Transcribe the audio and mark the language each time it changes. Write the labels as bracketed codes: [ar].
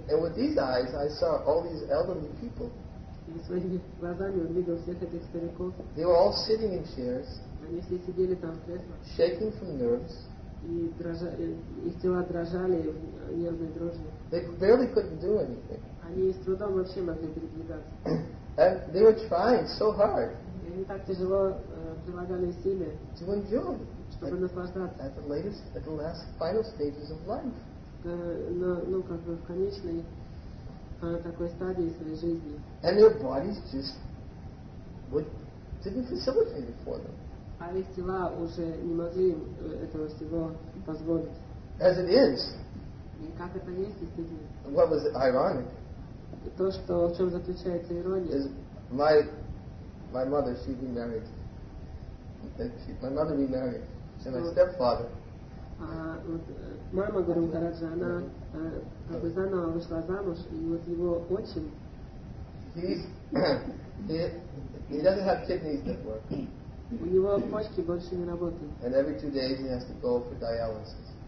[en] And with these eyes, I saw all these elderly people. [ru] И своими глазами он видел всех этих стариков. [en] They were all sitting in chairs. [ru] Они все сидели там в креслах. [en] Shaking from nerves. [ru] И их тела дрожали нервной дрожью. [en] They barely couldn't do anything. [ru] Они с трудом вообще могли передвигаться. [en] And they were trying so hard. [ru] И они так тяжело прилагали усилия. [en] To enjoy. [ru] Чтобы наслаждаться. [en] At the last final stages of life. [ru] Как бы в конечной такой стадии своей жизни. [en] And their bodies just didn't facilitate it for them. [ru] А их тела уже не могли им этого всего позволить. [en] As it is. [ru] И как это есть, действительно. [en] What was ironic? [ru] То, что в чем заключается ирония. [en] Is my mother, she remarried. My mother remarried. And my stepfather. [ru] мама Гурумхараджи, она как бы заново вышла замуж, и вот его отчим. [en] He doesn't have kidneys that work. [ru] У него почки больше не работают. [en] And every 2 days he has to go for dialysis.